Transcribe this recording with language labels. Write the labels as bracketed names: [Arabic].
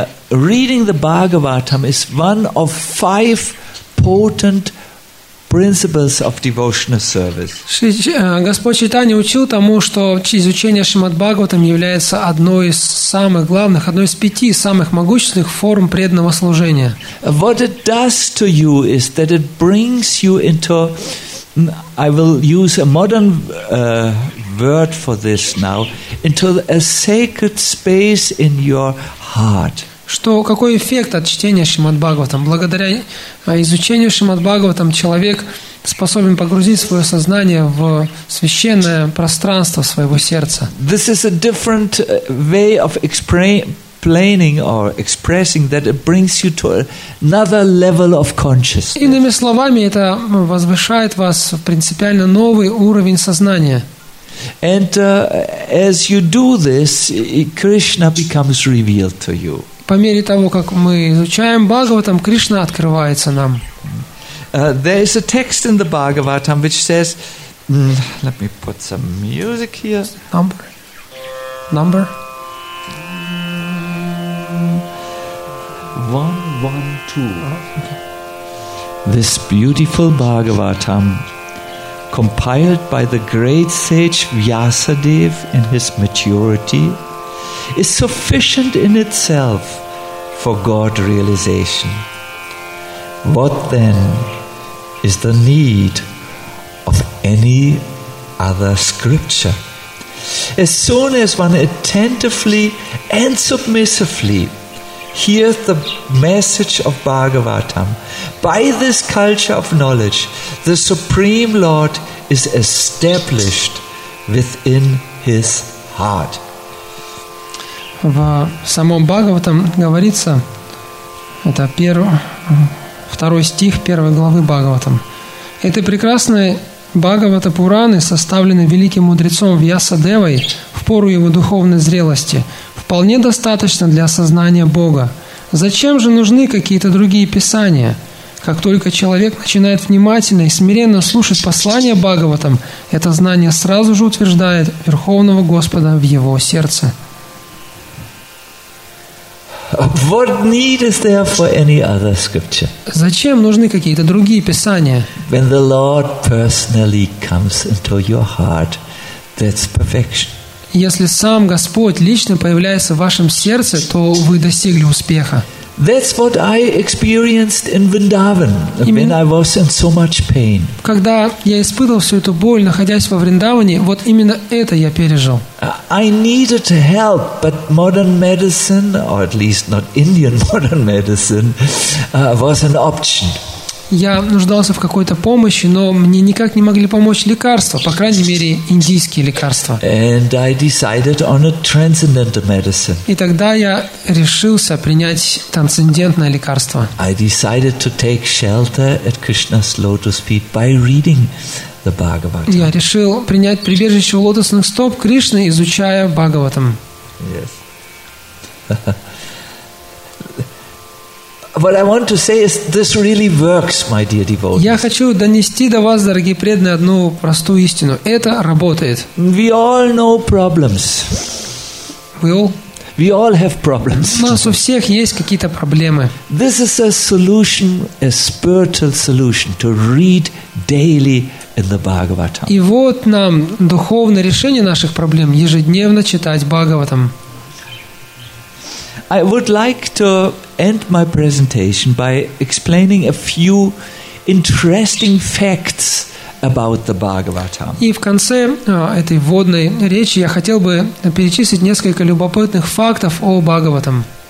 [English] Reading the Bhagavatam is one of five potent principles of devotional service. [Russian] Господь Чайтанья учил тому, что изучение Шримад-Бхагаватам является одной из самых главных, одной из пяти самых могущественных форм преданного служения. [English] What it does to you is that it brings you into, I will use a modern word for this now, into a sacred space in your heart. [Russian] Что какой эффект от чтения Шримад-Бхагаватам? Благодаря изучению Шримад-Бхагаватам человек способен погрузить свое сознание в священное пространство своего сердца. [English] This is a different way of explaining or expressing that it brings you to another level of consciousness. [Russian] Иными словами, это возвышает вас в принципиально новый уровень сознания. [English] And as you do this, Krishna becomes revealed to you. [Russian] По мере того, как мы изучаем Бхагаватам, Кришна открывается нам. [English] There is a text in the Bhagavatam which says, let me put some music here. Number. 112. This beautiful Bhagavatam, compiled by the great sage Vyasadev in his maturity, is sufficient in itself for God realization. What then is the need of any other scripture? As soon as one attentively and submissively hears the message of Bhagavatam, by this culture of knowledge, the Supreme Lord is established within his heart. [Russian] В самом Бхагаватам говорится, это второй стих первой главы Бхагаватам. Эти прекрасные Бхагавата Пураны составлены великим мудрецом Вьясадевой в пору его духовной зрелости. Вполне достаточно для осознания Бога. Зачем же нужны какие-то другие писания? Как только человек начинает внимательно и смиренно слушать послания Бхагаватам, это знание сразу же утверждает Верховного Господа в его сердце. [English] What need is there for any other scripture? [Russian] Зачем нужны какие-то другие писания? [English] When the Lord personally comes into your heart, that's perfection. [Russian] Если сам Господь лично появляется в вашем сердце, то вы достигли успеха. [English] That's what I experienced in Vrindavan when I was in so much pain. [Russian] Когда я испытывал всю эту боль, находясь во Вриндаване, вот именно это я пережил. [English] I needed help, but modern medicine, or at least not Indian modern medicine, was an option. [Russian] Я нуждался в какой-то помощи, но мне никак не могли помочь лекарства, по крайней мере, индийские лекарства. [English] And I decided on a transcendental medicine. [Russian] И тогда я решился принять трансцендентное лекарство. [English] I decided to take shelter at Krishna's lotus feet by reading the Bhagavatam. [Russian] Я решил принять прибежище у лотосных стоп Кришны, изучая Бхагаватам. [English] Yes. What I want to say is this really works, my dear devotees. [Russian] Я хочу донести до вас, дорогие преданные, одну простую истину. Это работает. [English] We all know problems. We all have problems. [Russian] У нас у всех есть какие-то проблемы. [English] This is a solution, a spiritual solution to read daily in the Bhagavatam. [Russian] И вот нам духовное решение наших проблем ежедневно читать Бхагаватам. [English] I would like to end my presentation by explaining a few interesting facts about the Bhagavatam. [Russian] И в конце этой вводной речи я хотел бы перечислить несколько любопытных фактов о Бхагаватам.